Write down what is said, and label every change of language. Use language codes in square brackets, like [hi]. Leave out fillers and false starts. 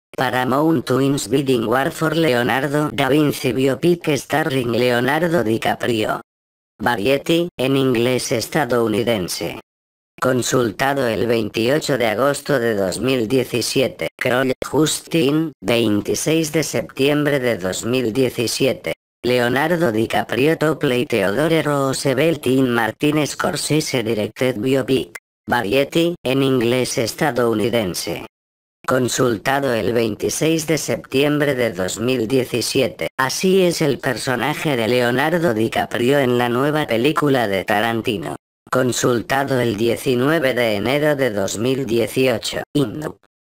[en] Paramount Twins Bidding War for Leonardo Da Vinci Biopic Starring Leonardo DiCaprio. [es] Variety, en inglés estadounidense. Consultado el 28 de agosto de 2017. Kroll, Justin, 26 de septiembre de 2017. [en] Leonardo DiCaprio to play Theodore Roosevelt in Martin Scorsese directed biopic. [es] Variety, en inglés estadounidense. Consultado el 26 de septiembre de 2017. Así es el personaje de Leonardo DiCaprio en la nueva película de Tarantino. Consultado el 19 de enero de 2018. Indu.